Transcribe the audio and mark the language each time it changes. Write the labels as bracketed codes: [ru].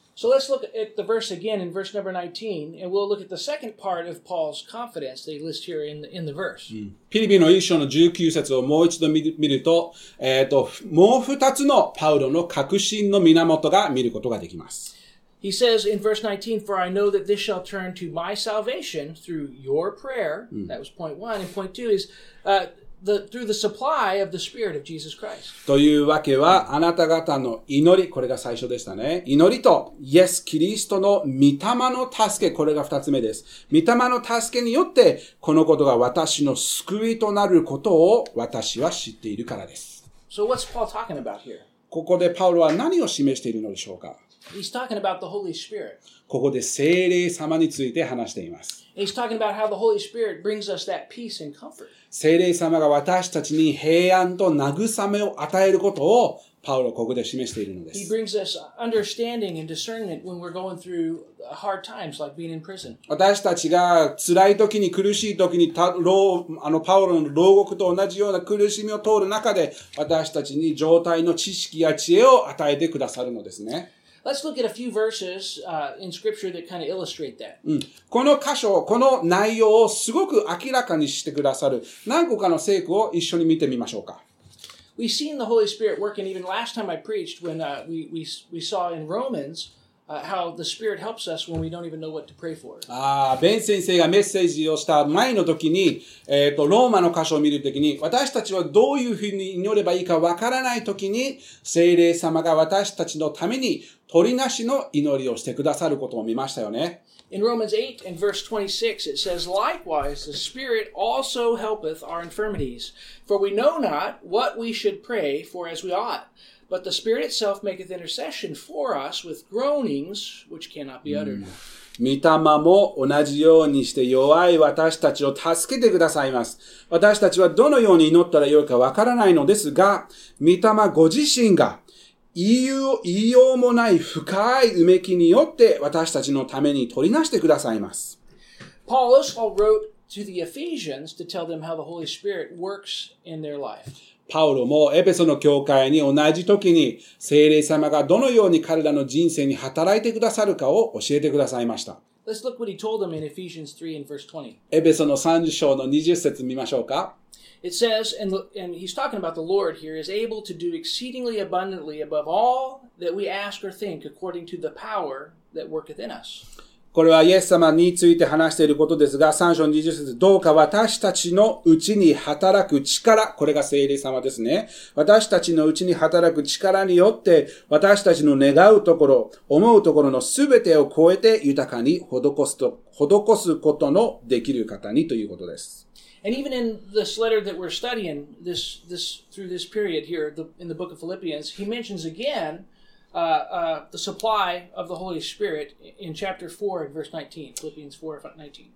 [en] So let's look at the verse again in verse number 19, and we'll look at the second part of Paul's confidence that he lists here in the verse. [ja] ピリピの一章の19節をもう一度見ると、もう二つのパウロの確信の源が見ることができます。 [en] He says in verse 19, For I know that this shall turn to my salvation through your prayer. That was point one. And point two is, through the supply of the Spirit of Jesus Christ. [ja] というわけは、あなた方の祈り、これが最初でしたね。祈りと、イエス・キリストの御霊の助け、これが二つ目です。御霊の助けによって、このことが私の救いとなることを私は知っているからです。 [en] So what's Paul talking about here? [ja] ここでパウロは何を示しているのでしょうか? [en] He's talking about the Holy Spirit. [ja] ここで聖霊様について話しています。 [en] He's talking about how the Holy Spirit brings us that peace and comfort. [ja] 聖霊様が私たちに平安と慰めを与えることをパウロここで示しているのです。 [en] He brings us understanding and discernment when we're going through hard times like being in prison. [ja] 私たちが辛い時に苦しい時にパウロの牢獄と同じような苦しみを通る中で私たちに状態の知識や知恵を与えてくださるのですね。 [en] Let's look at a few verses, in scripture that kind of illustrate that. [ja] この箇所、この内容をすごく明らかにしてくださる何個かの聖句を一緒に見てみましょうか。 [en] We've seen the Holy Spirit working even last time I preached when, we saw in Romans, how the Spirit helps us when we don't even know what to pray for. [ja] ベン先生がメッセージをした前の時に、ローマの箇所を見る時に、私たちはどういうふうに祈ればいいかわからない時に、聖霊様が私たちのために取りなしの祈りをしてくださることを見ましたよね。 [en] In Romans 8 and verse 26, it says, Likewise, the Spirit also helpeth our infirmities. For we know not what we should pray for as we ought. But the Spirit itself maketh intercession for us with groanings which cannot be uttered. [ja] 御霊も同じようにして弱い私たちを助けてくださいます。私たちはどのように祈ったらよいかわからないのですが、御霊ご自身が言いようもない深いうめきによって私たちのために取りなしてくださいます。 [en] Paul also wrote to the Ephesians to tell them how the Holy Spirit works in their life. [ja] パウロもエペソの教会に同じ時に聖霊様がどのように彼らの人生に働いてくださるかを教えてくださいました。 [en] Let's look what he told them in Ephesians 3 and verse 20. [ja] エペソの3章の20節見ましょうか。 [en] It says, and he's talking about the Lord here, is able to do exceedingly abundantly above all that we ask or think according to the power that worketh in us. [ja] これはイエス様について話していることですが、3章20節、どうか私たちのうちに働く力、これが聖霊様ですね。私たちのうちに働く力によって、私たちの願うところ、思うところのすべてを超えて豊かに施すことのできる方にということです。 [en] And even in this letter that we're studying this through this period here in the book of Philippians, he mentions again the supply of the Holy Spirit in chapter 4 and verse 19, Philippians 4 and 19.